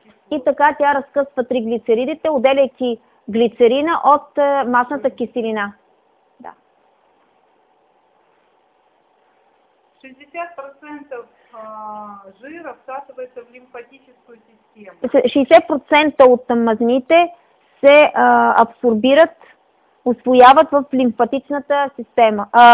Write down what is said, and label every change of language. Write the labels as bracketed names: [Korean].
[Bulgarian] И така тя разкъсва триглицеридите, отделяйки глицерина от масната киселина. Да. [Russian] 60% жира всасывается в лимфатическую систему. [Bulgarian] 60% от мазните се абсорбират, усвояват в лимфатичната система.